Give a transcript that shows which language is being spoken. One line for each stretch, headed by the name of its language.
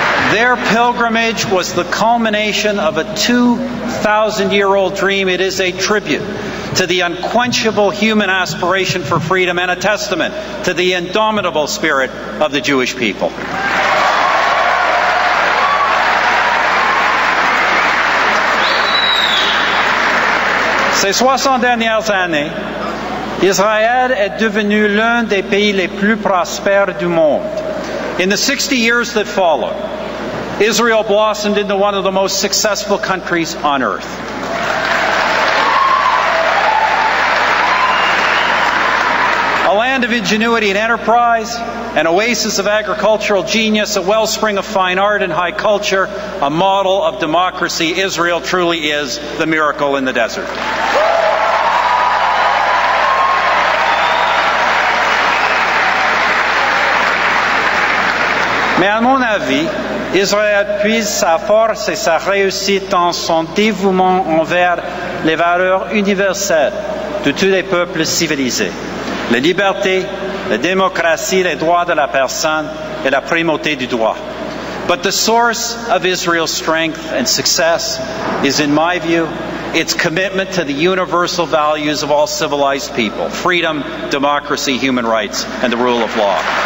English: Their pilgrimage was the culmination of a 2,000-year-old dream. It is a tribute to the unquenchable human aspiration for freedom and a testament to the indomitable spirit of the Jewish people.
French: Ces 60 dernières années, Israël est devenu l'un des pays les plus prospères du monde.
English: In the 60 years that followed, Israel blossomed into one of the most successful countries on earth. A land of ingenuity and enterprise, an oasis of agricultural genius, a wellspring of fine art and high culture, a model of democracy, Israel truly is the miracle in the desert.
French: Mais à mon avis, Israël puise sa force et sa réussite dans son dévouement envers les valeurs universelles de tous les peuples civilisés. La liberté, la démocratie, les droits de la personne et la primauté du droit.
English: But the source of Israel's strength and success is, in my view, its commitment to the universal values of all civilized people: freedom, democracy, human rights, and the rule of law.